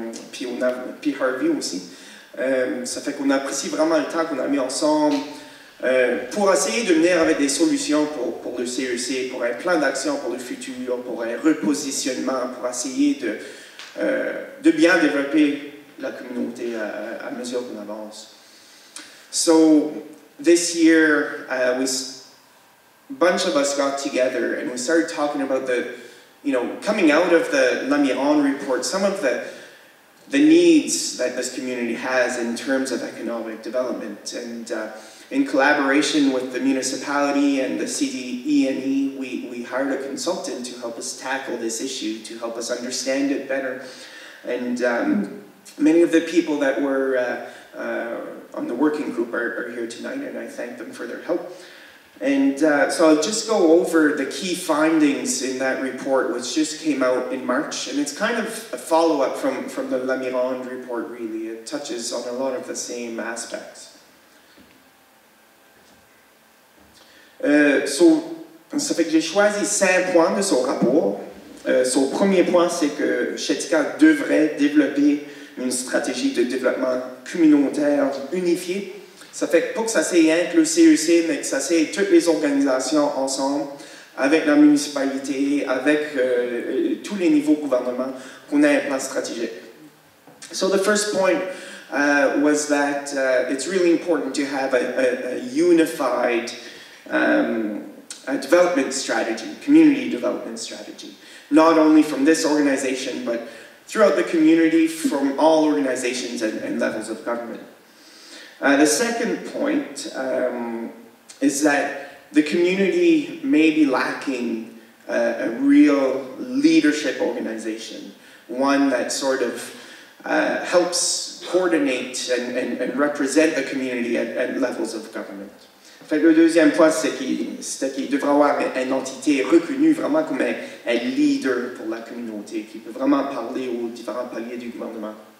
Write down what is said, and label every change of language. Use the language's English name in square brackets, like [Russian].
[French] Puis Harvey aussi. Ça fait qu'on apprécie vraiment le temps qu'on a mis ensemble pour essayer de venir avec des solutions pour le CEC, pour un plan d'action pour le futur, pour un repositionnement, pour essayer de bien développer la communauté à mesure qu'on avance. [English] So, this year, a bunch of us got together and we started talking about the, you know, coming out of the Lamiron report, some of the needs that this community has in terms of economic development. And in collaboration with the municipality and the CDENE, we hired a consultant to help us tackle this issue, to help us understand it better. And many of the people that were on the working group are here tonight, and I thank them for their help. And so I'll just go over the key findings in that report, which just came out in March. And it's kind of a follow-up from the Lamiron report, really. It touches on a lot of the same aspects. [French] Ça fait que j'ai choisi 5 points de son rapport. Son premier point, c'est que Chéticamp devrait développer une stratégie de développement communautaire unifiée. Ça fait que pour que ça s'aille avec le CEC, mais que ça s'aille toutes les organisations ensemble, avec la municipalité, avec tous les niveaux gouvernement, qu'on ait un plan stratégique. [English] So the first point was that it's really important to have a unified a development strategy, community development strategy, not only from this organization, but throughout the community, from all organizations and levels of government. The second point is that the community may be lacking a real leadership organization, one that sort of helps coordinate and represent the community at levels of government. [French] Fait que le deuxième point, c'est qu'il devrait avoir une entité reconnue vraiment comme un leader pour la communauté, qui peut vraiment parler aux différents paliers du gouvernement.